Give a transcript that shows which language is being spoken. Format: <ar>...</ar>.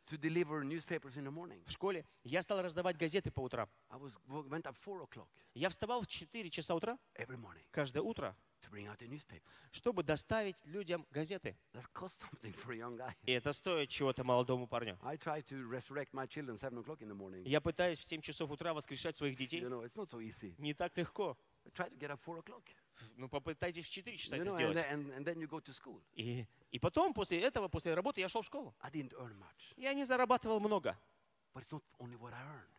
<en>to deliver newspapers in the morning.</en> <ru>В школе, я стал раздавать газеты по утрам.</ru> <en>I was, went up 4 o'clock,</en> <ru>я вставал в 4 часа утра,</ru> <en>every morning,</en> <ru>каждое утро,</ru> <en>to bring out a newspaper.</en> <ru>Чтобы доставить людям газеты.</ru> <en>That cost something for a young guy.</en> <ru>И это стоит чего-то молодому парню.</ru> <en>I try to resurrect my children 7 o'clock in the morning.</en> <ru>Я пытаюсь в 7 часов утра воскрешать своих детей.</ru> <en>You know, it's not so easy.</en> <ru>Не так легко.</ru> <en>Try to get up 4 o'clock.</en> <ru>Ну, попытайтесь в 4 часа</ru> <en>you</en> <ru>это</ru> <en>know,</en> <ru>сделать.</ru> <en>And then you go to school.</en> <ru>И потом, после этого, после работы, я шел в школу.</ru> <en>I didn't earn much.</en> <ru>Я не зарабатывал много.</ru> <en>But it's not only what I earned.</en>